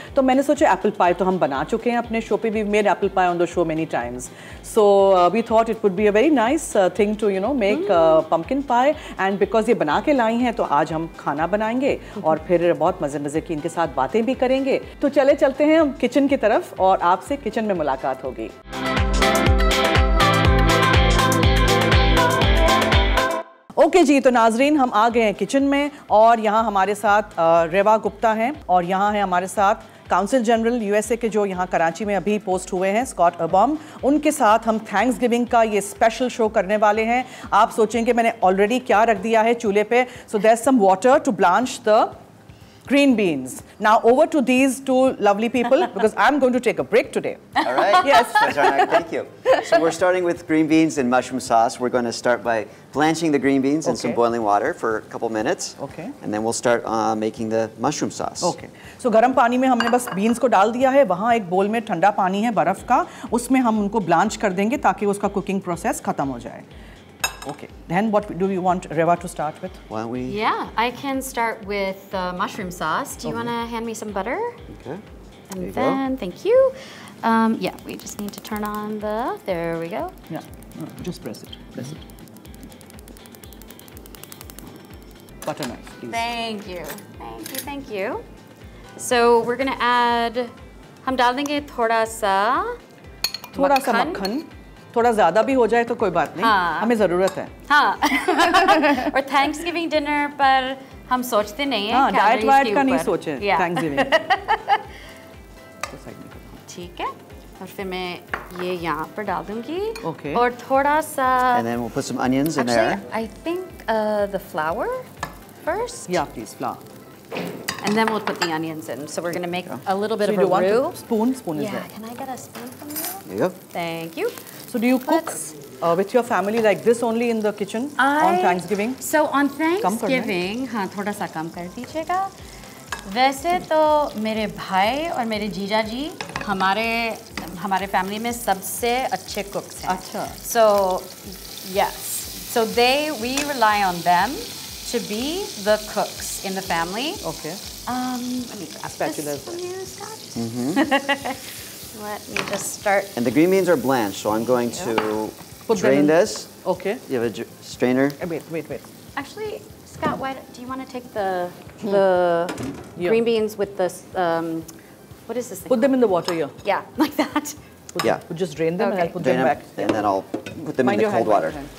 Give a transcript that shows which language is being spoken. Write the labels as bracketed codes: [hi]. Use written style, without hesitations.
[hi] To maine socha apple pie to hum bana chuke hain apne show pe, [en] we made apple pie on the show many times. So we thought it would be a very nice thing to, you know, make pumpkin pie. And because [hi] ये बना के लाई हैं, तो आज हम खाना बनाएंगे और फिर बहुत मज़े की इनके साथ बातें भी करेंगे. तो चले चलते हैं हम किचन की तरफ, और आपसे किचन में मुलाकात होगी. ओके जी, तो नाज़रीन, हम आ गए हैं किचन में, और यहाँ हमारे साथ रेवा गुप्ता हैं, और यहाँ है हमारे साथ काउंसिल जनरल USA के, जो यहाँ कराची में अभी पोस्ट हुए हैं, स्कॉट अर्बॉम. उनके साथ हम थैंक्सगिविंग का ये स्पेशल शो करने वाले हैं. आप सोचेंगे मैंने ऑलरेडी क्या रख दिया है चूल्हे पे. [en] So there's some water to blanch the green beans. Now over to these two lovely people, because I am going to take a break today. Alright. Yes, thank you. So we are starting with green beans and mushroom sauce. We are going to start by blanching the green beans in some boiling water for a couple minutes. Okay, and then we will start making the mushroom sauce. [hi] Okay, सो गर्म पानी में हमने बस beans को डाल दिया है. वहाँ एक बोल में ठंडा पानी है बर्फ का, उसमें हम उनको ब्लांच कर देंगे ताकि उसका कुकिंग प्रोसेस खत्म हो जाए. [en] Okay. Then what do we want Reva to start with? Why don't we? Yeah, I can start with mushroom sauce. Do you want to hand me some butter? Okay. And then, thank you. Yeah, we just need to turn on the, there we go. Yeah, just press it, press it. Butter knife, please. Thank you, thank you, thank you. So we're gonna add, [hi] hum dal denge thoda sa makhan. Thoda zyada bhi ho jaye to koi baat nahi, hame zarurat hai. Haan, or Thanksgiving dinner par hum sochte nahi hai calories ke upar. Haan, diet ka nahi soche, Thanksgiving. ठीक है और फिर मैं ये यहाँ पर डाल दूँगी [en] okay. [hi] और थोड़ा सा [en] and then we'll put some onions in actually, there I think the flour first yeah please flour and then we'll put the onions in so we're gonna make a little bit so of a roux to, spoon yeah, is there yeah can I get a spoon from you there you go thank you so do you cook with your family like this only in the kitchen on Thanksgiving so on Thanksgiving [hi] हाँ थोड़ा सा कम कर दीजिएगा वैसे तो मेरे भाई और मेरे जीजा जी हमारे फैमिली में सबसे अच्छे कुक्स हैं अच्छा [en] So yes so they we rely on them to be the cooks in the family okay spatulas let me just start and the green beans are blanch so I am going to drain this okay you have a strainer wait actually Scott, why do you want to take the yeah. green beans with the what is this thing? Put them in the water, yeah. Yeah, like that. We'll just drain them okay. and I'll put them back. And then I'll put them in the cold water.